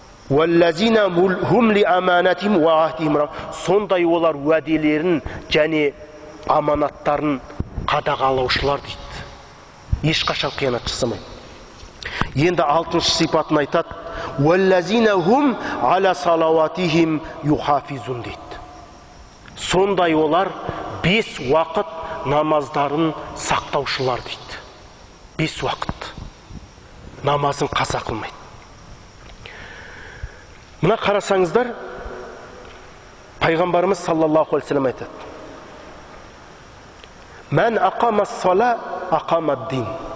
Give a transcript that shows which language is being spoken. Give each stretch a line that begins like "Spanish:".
Arabic: Уәлләзина хум ли аманатихим ва ахдихим рагун.
Kazakh: Сондай олар уәделерін және аманаттарын қадағалаушылар дейді. Ешқашан қиянат жасамайды. Енді алтыншы сипатын айтады.
Arabic: Уәлләзина хум аля салаватихим юхафизун дейді.
Kazakh: Сондай олар бес уақыт намаздарын сақтаушылар дейді. Бес уақыт. Намазын қаза қылмайды. Мына қарасаңыздар, пайғамбарымыз саллаллаху алейхи уассалам айтады.
Arabic: Мән ақама сала Ақамаддин.